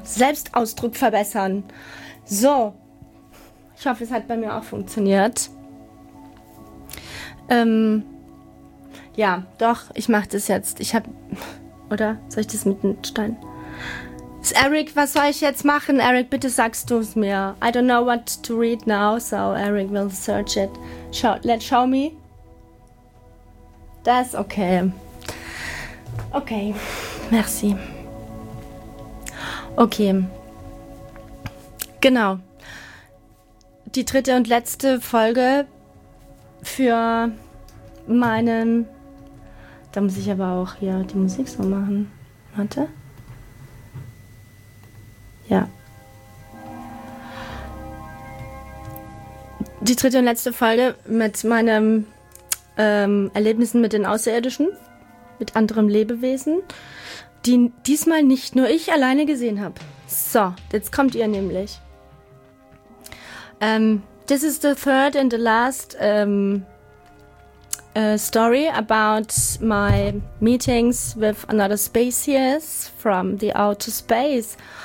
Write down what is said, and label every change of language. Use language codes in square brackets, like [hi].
[de] Selbstausdruck verbessern. So. Ich hoffe, es hat bei mir auch funktioniert. Ja, doch. Ich mache das jetzt. Ich habe... Oder? Soll ich das mit dem Stein... Eric, was soll ich jetzt machen? Eric, bitte sagst du es mir. [en] I don't know what to read now, so Eric will search it. Show me. That's okay. [de] Okay, merci. Okay. Genau. Die dritte und letzte Folge für meinen... Da muss ich aber auch hier die Musik so machen. Warte. Ja. Die dritte und letzte Folge mit meinen Erlebnissen mit den Außerirdischen, mit anderen Lebewesen, die diesmal nicht nur ich alleine gesehen habe. So, jetzt kommt ihr nämlich. [en] This is the third and the last story about my meetings with another species from the outer space.